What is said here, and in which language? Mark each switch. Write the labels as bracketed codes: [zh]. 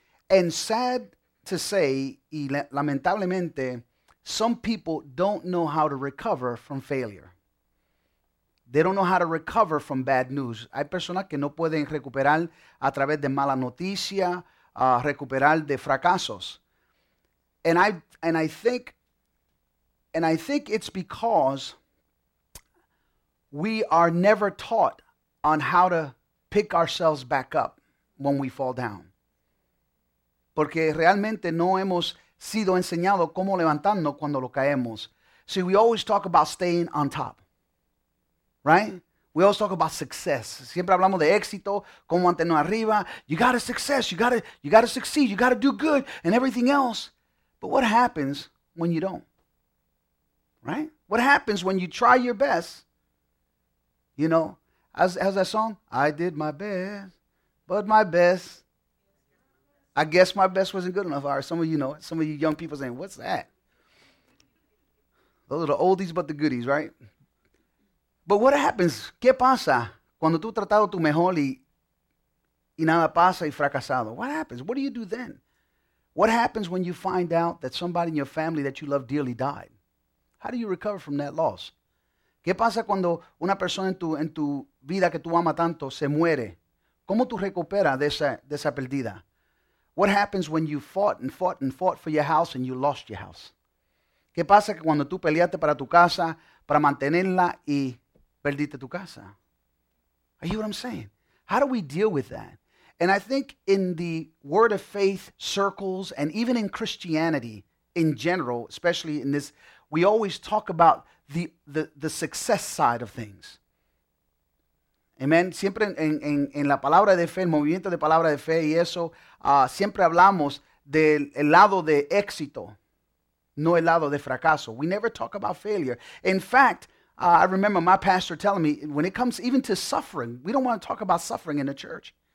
[en] And sad to say, [es] y lamentablemente, [en] some people don't know how to recover from failure. They don't know how to recover from bad news. [es] Hay personas que no pueden recuperar a través de mala noticia, recuperar de fracasos. [en] And I think it's because we are never taught on how to pick ourselves back up when we fall down. [es] Porque realmente no hemos sido enseñados cómo levantarnos cuando lo caemos. [en] See, we always talk about staying on top, right? We always talk about success. [es] Siempre hablamos de éxito, cómo mantenernos arriba. [en] You got to success, you got to succeed, you got to do good, and everything else. But what happens when you don't? Right? What happens when you try your best? You know, as that song, I did my best, but my best, I guess my best wasn't good enough. Or some of you know it. Some of you young people saying, what's that? Those are the oldies but the goodies, right? But what happens? [es] ¿Qué pasa cuando tú has tratado tu mejor y nada pasa y fracasado? [en] What happens? What do you do then? What happens when you find out that somebody in your family that you love dearly died? How do you recover from that loss? [es] ¿Qué pasa cuando una persona en tu vida que tú amas tanto se muere? ¿Cómo tú recuperas de esa perdida? [en] What happens when you fought and fought and fought for your house and you lost your house? [es] ¿Qué pasa que cuando tú peleaste para tu casa, para mantenerla y perdiste tu casa? [en] Are you what I'm saying? How do we deal with that? And I think in the word of faith circles and even in Christianity in general, especially in this, we always talk about the success side of things. Amen. [es] Siempre en la palabra de fe, el movimiento de palabra de fe y eso, siempre hablamos del el lado de éxito, no el lado de fracaso. [en] We never talk about failure. In fact, I remember my pastor telling me, when it comes even to suffering, we don't want to talk about suffering in the church.